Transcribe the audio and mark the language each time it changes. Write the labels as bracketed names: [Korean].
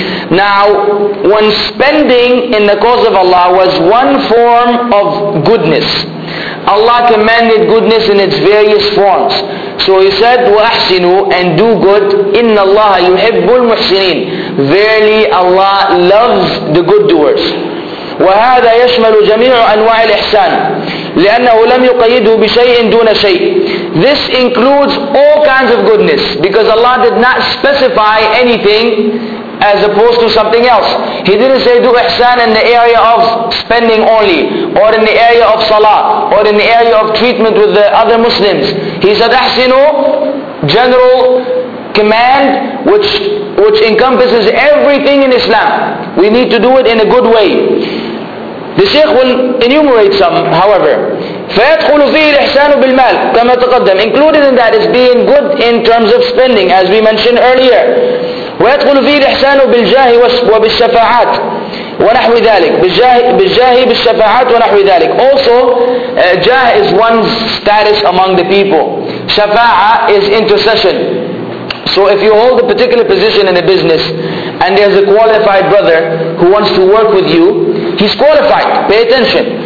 [English] Now, when spending in the cause of Allah was one form of goodness, Allah commanded goodness in its various forms. So He said, [Arabic] وَأَحْسِنُوا, [English] and do good, [Arabic] إِنَّ اللَّهَ يُحِبُّ الْمُحْسِنِينَ. [English] Verily, Allah loves the good doers. [Arabic] وهذا يشمل جميع أنواع الإحسان لأنه لم يقيده بشيء دون شيء. [English] This includes all kinds of goodness, because Allah did not specify anything as opposed to something else. He didn't say do ihsan in the area of spending only, or in the area of salah, or in the area of treatment with the other Muslims. He said ihsinu, general command which encompasses everything in Islam. We need to do it in a good way. The Shaykh will enumerate some, however. [Arabic] فيدخل فيه الإحسان بالمال كما تقدم. [English] Included in that is being good in terms of spending, as we mentioned earlier. [Arabic] ويدخل فيه الإحسان بالجاه وبالشفاعات ونحو ذلك. بالجاه بالشفاعات ونحو ذلك. [English] Also, جاه is one's status among the people. شفاعة is intercession. So if you hold a particular position in a business and there's a qualified brother who wants to work with you, he's qualified, pay attention.